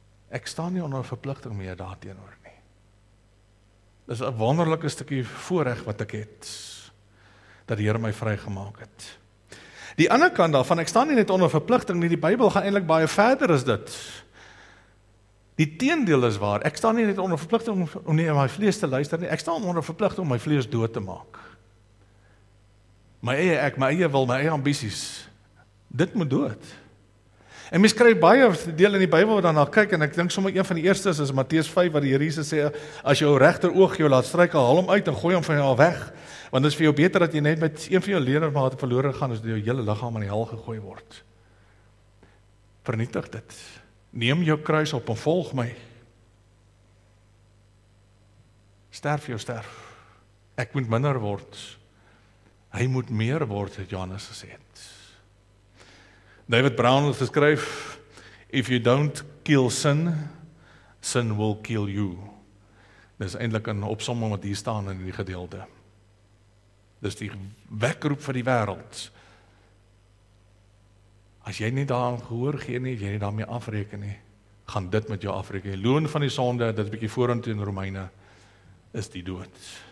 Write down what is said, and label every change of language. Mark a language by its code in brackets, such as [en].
[af] Ek staan nie onder verpligting meer daarteenoor nie. Dis 'n wonderlike stukkie voorreg wat ek het, dat die Here my vrygemaak het. Die ander kant daarvan, ek staan nie net onder verpligting nie, die Bybel gaan eintlik baie verder as dit. Die teendeel is waar, ek staan nie net onder verpligting om nie in my vlees te luister nie, ek staan onder verpligting om my vlees dood te maak. My eie ek, my eie wil, my eie ambities, dit moet dood. En mens kry baie deel in die Bybel wat daarna kyk, en ek dink sommer een van die eerstes is Matteus 5, waar die Here Jesus sê, as jou regter oog jou laat struike, haal hom uit en gooi hom van jou weg, want dit is vir jou beter dat jy net met een van jou ledemate verlore gaan, as jou hele liggaam in die hel gegooi word. Vernietig dit. Neem jou kruis op en volg my. Sterf jou sterf. Ek moet minder word. Hy moet meer word, het Johannes gesê het. [en] David Brown [af] het geskryf, [en] if you don't kill sin, sin will kill you. [af] Dit is eindelijk een opsomming wat hier staan in die gedeelte. Dit is die wekroep vir die wereld. As jy nie daar aan gehoor gee nie, jy nie daarmee afreken nie, gaan dit met jou afreken. Loon van die sonde, dit is bykie voorhand in Romeine, is die dood.